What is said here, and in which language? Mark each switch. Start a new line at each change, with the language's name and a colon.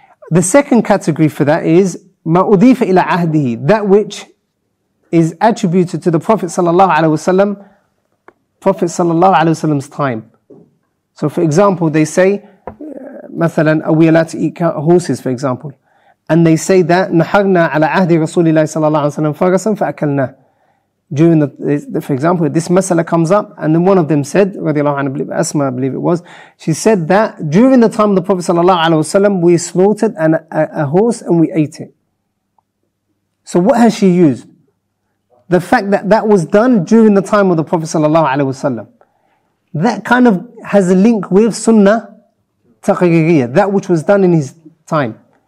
English: The second category for that is ma udifa ila ahdihi, that which is attributed to the Prophet sallallahu alaihi wasallam, Prophet sallallahu alaihi wasallam's time. So for example, they say, مثلاً, are we allowed to eat horses, for example? And they say that,
Arabic: نحرنا على عهد رسول الله صلى الله عليه وسلم فرساً فأكلنا.
English: During the, for example, this masala comes up, and then one of them said, رضي الله عنه, Asma, I believe it was, she said that, during the time of the Prophet sallallahu alaihi wasallam, we slaughtered a horse and we ate it. So what has she used? The fact that that was done during the time of the Prophet sallallahu alaihi wasallam, that kind of has a link with sunnah taqririyyah, that which was done in his time.